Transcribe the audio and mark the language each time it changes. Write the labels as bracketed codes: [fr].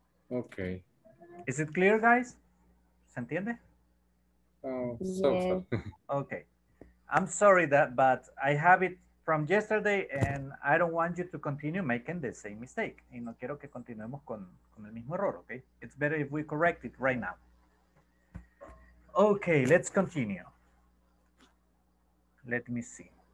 [en] Okay. Is it clear, guys? [es] ¿Se entiende? [en] So. Okay. I'm sorry that, but I have it from yesterday and I don't want you to continue making the same mistake. [es] Y no quiero que continuemos con el mismo error, okay? [en] It's better if we correct it right now. Okay, let's continue. Let me see.